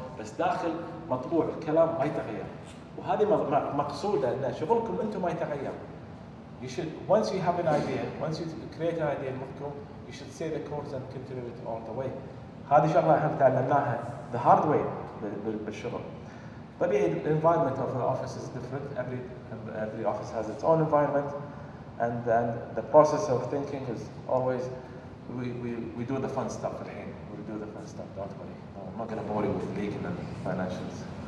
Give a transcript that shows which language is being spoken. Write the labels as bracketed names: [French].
[Arabic] بس داخل مطبوع الكلام ما يتغير. وهذه مقصودة إن شغلكم أنتم ما يتغير. [English] You should once you have an idea, once you create an idea, you should stay the course and continue it all the way. [Arabic] هذه شغلة إحنا تعلمناها [English] the hard way [Arabic] بالشغل. طبيعي [English] the environment of the office is different. Every office has its own environment, and then the process of thinking is always we do the fun stuff. [Arabic] الحين [English] we do the fun stuff. Don't worry. I'm not gonna bore you with legal and financials.